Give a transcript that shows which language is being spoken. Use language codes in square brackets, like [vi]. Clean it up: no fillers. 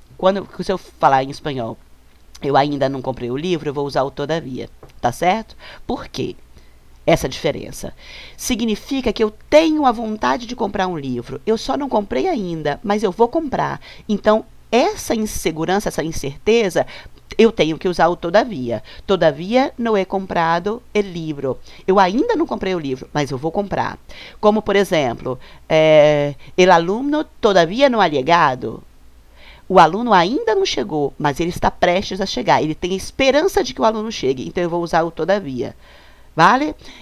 [pt] Quando se eu falar em espanhol, eu ainda não comprei o livro, eu vou usar o todavía, tá certo? Por quê essa diferença? Significa que eu tenho a vontade de comprar um livro. Eu só não comprei ainda, mas eu vou comprar. Então, essa insegurança, essa incerteza, eu tenho que usar o todavía. [es] Todavía no he comprado el libro. [pt] Eu ainda não comprei o livro, mas eu vou comprar. Como, por exemplo, [es] el alumno todavía no ha llegado. [pt] O aluno ainda não chegou, mas ele está prestes a chegar. Ele tem esperança de que o aluno chegue. Então, eu vou usar o todavía. Vale?